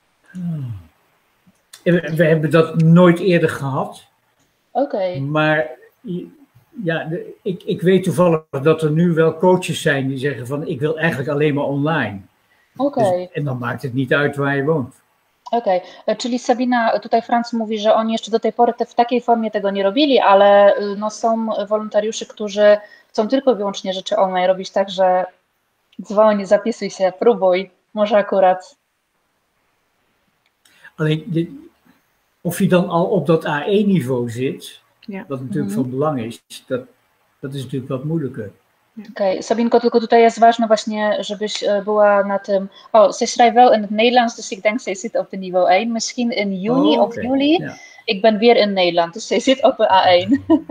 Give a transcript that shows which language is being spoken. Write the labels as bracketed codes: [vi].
[nl] Hmm. We hebben dat nooit eerder gehad. Oké. Okay. Maar ja, ik weet toevallig dat er nu wel coaches zijn die zeggen van ik wil eigenlijk alleen maar online. Oké. Okay. Dus, en dan maakt het niet uit waar je woont. Oké, okay. [pl] Czyli Sabina, tutaj Franz mówi, że oni jeszcze do tej pory w takiej formie tego nie robili, ale no, są wolontariusze, którzy chcą tylko i wyłącznie rzeczy online robić, także dzwoń, zapisuj się, próbuj, może akurat... [nl] Alleen, of je dan al op dat A1-niveau zit, ja. Wat natuurlijk van belang is, dat is natuurlijk wat moeilijker. Oké, okay. [pl] Sabinko, tylko tutaj jest ważne właśnie, żebyś była na tym... [nl] O, ze schrijft wel in het Nederlands, dus ik denk, ze zit op de niveau 1. Misschien in juni of juli, ja. Ik ben weer in Nederland, dus ze zit op A1.